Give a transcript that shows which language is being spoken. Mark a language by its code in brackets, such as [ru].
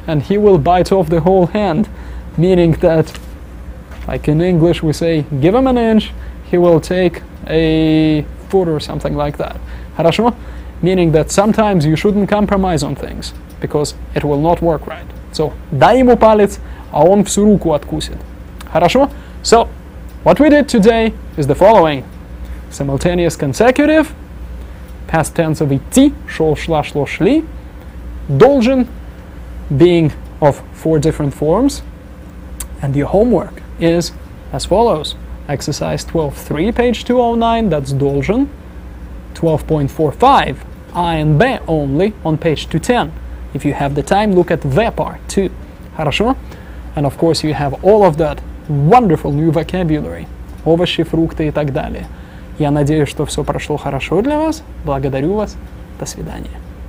[en] and he will bite off the whole hand. Meaning that, like in English we say, give him an inch, he will take a foot or something like that. [ru] Хорошо? [en] Meaning that sometimes you shouldn't compromise on things, because it will not work right. [ru] So, дай ему палец, а он всю руку откусит. Хорошо? [en] So, what we did today is the following. Simultaneous consecutive, past tense of идти, шел, шла, шло, шли, должен, being of four different forms, and your homework is as follows. Exercise 12.3, page 209, that's должен. 12.45, I and B only, on page 210. If you have the time, look at the part too. [ru] Хорошо? [en] And of course, you have all of that wonderful new vocabulary. [ru] Овощи, фрукты и так далее. Я надеюсь, что все прошло хорошо для вас. Благодарю вас. До свидания.